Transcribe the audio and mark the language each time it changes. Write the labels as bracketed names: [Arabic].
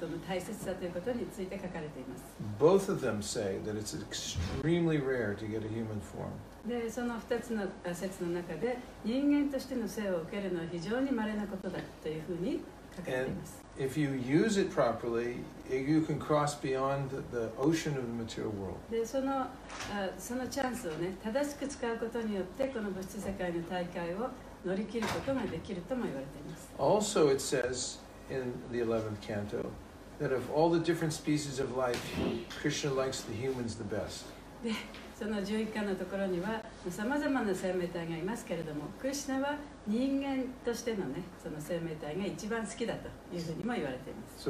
[English] Both of them say that it's extremely rare to get a human form. [Japanese] でその2つの説の中で人間としての生を受けるのは非常に稀なことだというふうに書かれています。 [English] And if you use it properly, you can cross beyond the ocean of the material world. [Japanese] でそのチャンスをね、正しく使うことによってこの物質世界の大海を乗り切ることができるとも言われています。 [English] Also, it says in the 11th canto that of all the different species of life, Krishna likes the humans the best. [Japanese] でその11巻のところにはさまざまな生命体がいますけれどもクリシナは人間としてのねその生命体が一番好きだというふうにも言われています。